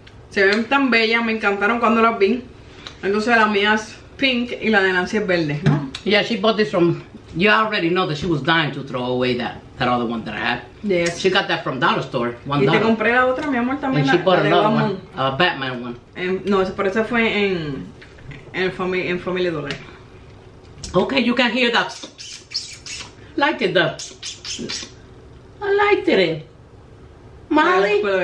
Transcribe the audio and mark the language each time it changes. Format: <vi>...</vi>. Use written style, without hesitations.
<es>Se ven tan bellas, me encantaron cuando las vi. Entonces la mía es pink y la de Nancy es verde, ¿no?</es> <en>Yeah, she bought this from, you already know that she was dying to throw away that other one that I had. Yes. She got that from Dollar Store, $1.</en> <es>Y te compré la otra, mi amor, también.</es> <en>And</en> <es>la,</es> <en>she bought</en> <es>la</es> <en>another Batman. One, a Batman one.</en> <es>No, pero esa fue en Family Dollar.</es> <en>Okay, you can hear that. Lighted the. I lighted it. Molly.</en>